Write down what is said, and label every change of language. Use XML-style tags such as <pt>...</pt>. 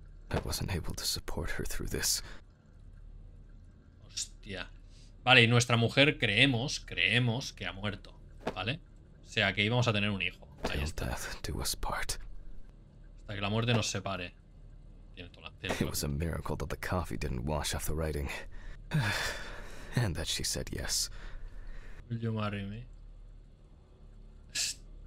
<en>I wasn't able to support her through this.</en> <es>Hostia. Vale, y nuestra mujer creemos que ha muerto, ¿vale? O sea, que íbamos a tener un hijo. Ahí está.</es> <en>Death do us part.</en> <es>Hasta que la muerte nos separe.</es> <en>It was a miracle that the coffee didn't wash off the writing. And that she said yes.</en> <es>Yo madre mía. Hostia.</es>